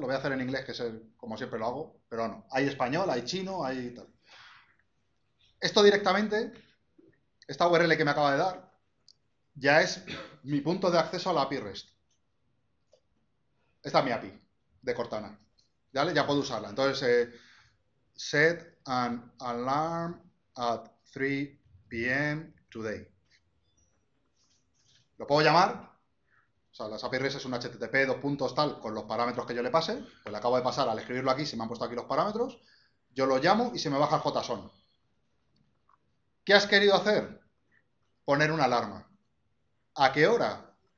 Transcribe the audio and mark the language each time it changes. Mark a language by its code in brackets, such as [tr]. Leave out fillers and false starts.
[es] Lo voy a hacer en inglés, que es como siempre lo hago, pero bueno, hay español, hay chino, hay tal. Esto directamente, esta URL que me acaba de dar, ya es mi punto de acceso a la API REST. Esta es mi API de Cortana. ¿Vale? Ya puedo usarla. Entonces, [en] set an alarm at 3 p.m. today. [es] Lo puedo llamar, o sea, las API REST es un HTTP, dos puntos, tal, con los parámetros que yo le pase, pues le acabo de pasar al escribirlo aquí, se me han puesto aquí los parámetros, yo lo llamo y se me baja el JSON. ¿Qué has querido hacer? Poner una alarma. ¿A qué hora?